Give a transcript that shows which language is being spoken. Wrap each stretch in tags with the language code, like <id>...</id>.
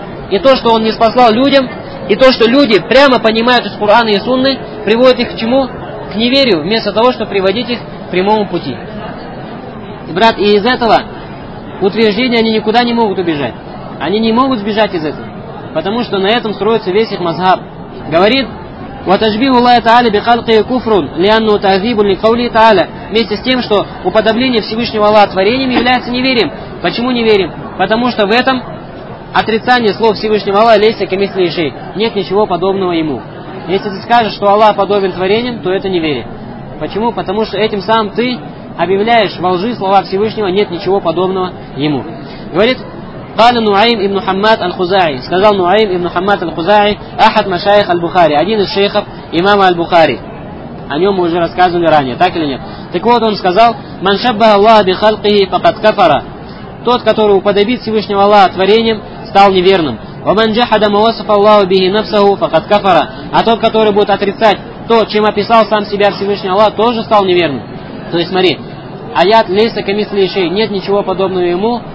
<ru>И то, что он не спасал людям, и то, что люди прямо понимают из Корана и Сунны, приводит их к чему? К неверию, вместо того, чтобы приводить их к прямому пути. И, брат, и из этого утверждения они никуда не могут убежать. Они не могут сбежать из этого. Потому что на этом строится весь их мазхаб.</ru> <ar>Говорит, وَتَجْبِهُ اللَّهِ تَعَالَ بِخَلْقِهِ كُفْرٌ لِأَنُّهُ تَعْذِيبٌ لِقَوْلِهِ تَعَالَ.</ar> <ru>Вместе с тем, что уподобление Всевышнего Аллаха творением является неверием. Почему неверием? Потому что в этом отрицание слов Всевышнего Аллаха</ru> <ar>лейса кемислихи шей.</ar> <ru>Нет ничего подобного ему. Если ты скажешь, что Аллах подобен творением, то это неверие. Почему? Потому что этим самым ты объявляешь во лжи слова Всевышнего, нет ничего подобного ему.</ru> <ar>Говорит, قال نعيم ابن حماد الخزاعي.</ar> <ru>Сказал Нуаим ибн Хаммад аль-Хузаи,</ru> <ar>احد مشايخ البخاري.</ar> <ru>Один из шейхов имама аль-Бухари. О нем мы уже рассказывали ранее, так или нет? Так вот, он сказал:</ru> <ar>من شبه الله بخلقه فقد كفر.</ar> <ru>Тот, который уподобит Всевышнего Аллаха творением, стал неверным.</ru> <ar>ومن جحد ما وصف الله به نفسه فقد كفر.</ar> <ru>А тот, который будет отрицать то, чем описал сам себя Всевышний Аллах, тоже стал неверным. То есть смотри, аят</ru> <ar>лейса камислихи шей,</ar> <ru>нет ничего подобного ему.</ru>